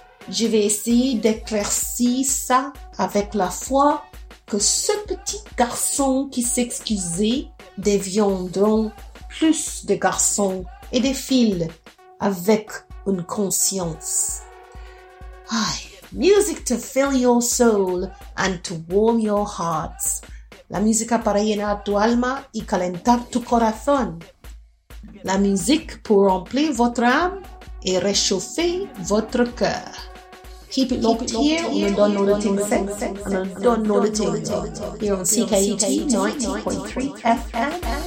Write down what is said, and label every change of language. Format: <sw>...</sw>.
<fr>Je vais essayer d'éclaircir ça avec la foi que ce petit garçon qui s'excusait deviendront plus de garçons et de filles avec une conscience.</fr> <en>Ay, music to fill your soul and to warm your hearts.</en> <es>La música para llenar tu alma y calentar tu corazón.</es> <fr>La musique pour remplir votre âme et réchauffer votre cœur.</fr> <en>Keep it locked here on the downloading set, on the downloading here on CKUT 90.3 FM.</en>